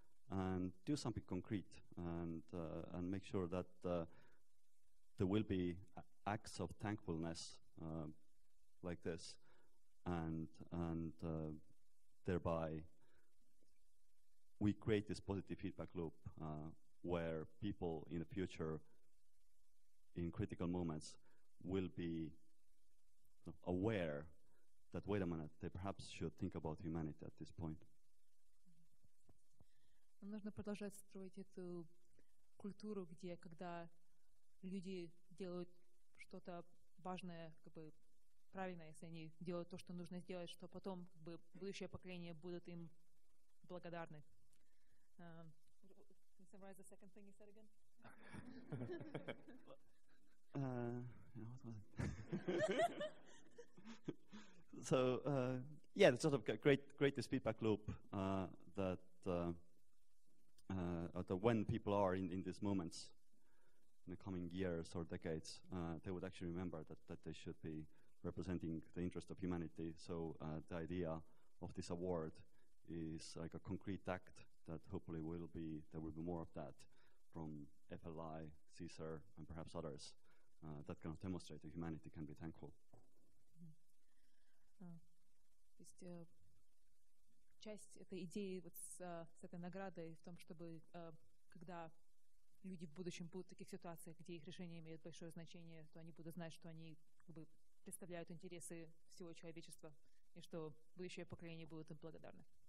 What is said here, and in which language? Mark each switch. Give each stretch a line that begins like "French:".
English: and do something concrete and make sure that there will be acts of thankfulness like this, and thereby we create this positive feedback loop where people in the future in critical moments will be aware that, wait a minute, they perhaps should think about humanity at this point.
Russian: Нам нужно продолжать строить эту культуру, где когда люди делают что-то важное, как бы правильно, если они делают то, что нужно сделать, что потом как бы будущее поколение будут им благодарны.
English: Can summarize the second thing you said again? What was it? So yeah, the sort of great this feedback loop that when people are in these moments in the coming years or decades, they would actually remember that they should be representing the interest of humanity. So the idea of this award is like a concrete act that hopefully there will be more of that from FLI, CSER, and perhaps others that kind of demonstrate that humanity can be thankful.
Russian: Часть этой идеи вот с этой наградой в том, чтобы когда люди в будущем будут в таких ситуациях, где их решения имеют большое значение, то они будут знать, что они как бы представляют интересы всего человечества и что будущее поколение будет им благодарны.